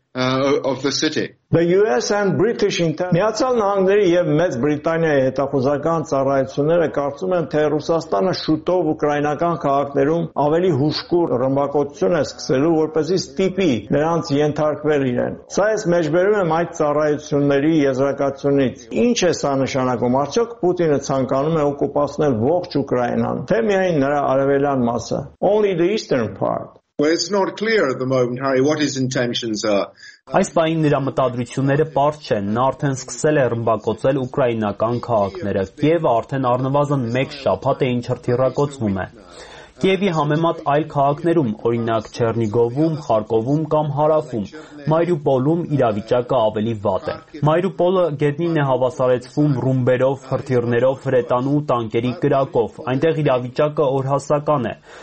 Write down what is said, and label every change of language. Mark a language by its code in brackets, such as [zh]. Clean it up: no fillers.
[en] The US and British intelligence [hy] Միացյալ Նահանգների եւ Մեծ Բրիտանիայի հետախուզական ծառայությունները կարծում են, թե Ռուսաստանը շուտով ուկրաինական քաղաքներում ավելի հուշկուր ռմբակոծություն է սկսելու, որպեսզի ստիպի նրանց ենթարկվել իրեն։ Սա ես մեջբերում եմ այդ ծառայությունների եզրակացությունից։ Ինչ է սա նշանակում, արդյոք Պուտինը ցանկանում է օկուպացնել ողջ Ուկրաինան, թե միայն նրա արևելյան մասը։ [en] Only the eastern part. Well, it's not clear at the moment, Harry, what his intentions are. [hy] Այս պահին նրա մտադրությունները պարզ չեն, նա արդեն սկսել է ռմբակոծել ուկրաինական քաղաքները, և արդեն առնվազն մեկ շաբաթ է ինչ հրթիռակոծվում է։ Կիևի համեմատ այլ քաղաքներում, օրինակ Չեռնիգովում, Խարկովում կամ Հարավում, Մարիուպոլում իրավիճակը ավելի վատ է։ Մարիուպոլը գետնին է հավասարեցվում ռումբերով, հրթիռներով, ֆրետանու ու տանկերի կրակով, այնտեղ իրավիճակը օրհասական է։